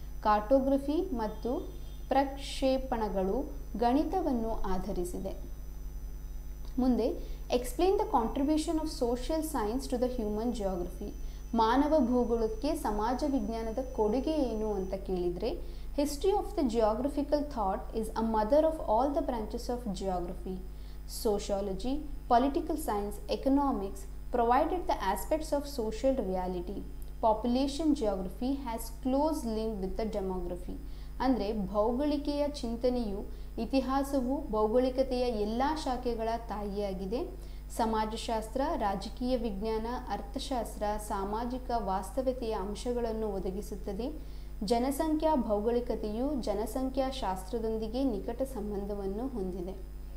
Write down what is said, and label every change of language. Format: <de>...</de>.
<kn>ಕಾರ್ಟೋಗ್ರಫಿ ಮತ್ತು ಪ್ರಕ್ಷೇಪಣಗಳು ಗಣಿತವನ್ನು ಆಧರಿಸಿದೆ. ಮುಂದೆ</kn> <en>Explain the contribution of social science to the human geography.</en> <kn>ಮಾನವ ಭೂಗೋಳಕ್ಕೆ ಸಮಾಜ ವಿಜ್ಞಾನದ ಕೊಡುಗೆ ಏನು ಅಂತ ಕೇಳಿದರೆ,</kn> <en>History of the geographical thought is a mother of all the branches of geography. Sociology, political science, economics provided the aspects of social reality. Population geography has close link with the demography.</en> <kn>ಅಂದರೆ ಭೌಗೋಳಿಕೆಯ ಚಿಂತನೆಯು ಇತಿಹಾಸವು ಭೌಗೋಳಿಕತೆಯ ಎಲ್ಲ ಶಾಖೆಗಳ ತಾಯಿಯಾಗಿದೆ. ಸಮಾಜಶಾಸ್ತ್ರ, ರಾಜಕೀಯ ವಿಜ್ಞಾನ, ಅರ್ಥಶಾಸ್ತ್ರ ಸಾಮಾಜಿಕ ವಾಸ್ತವತೆಯ ಅಂಶಗಳನ್ನು ಒದಗಿಸುತ್ತದೆ. ಜನಸಂಖ್ಯಾ ಭೌಗೋಳಿಕತೆಯು ಜನಸಂಖ್ಯಾಶಾಸ್ತ್ರದೊಂದಿಗೆ ನಿಕಟ ಸಂಬಂಧವನ್ನು ಹೊಂದಿದೆ.</kn>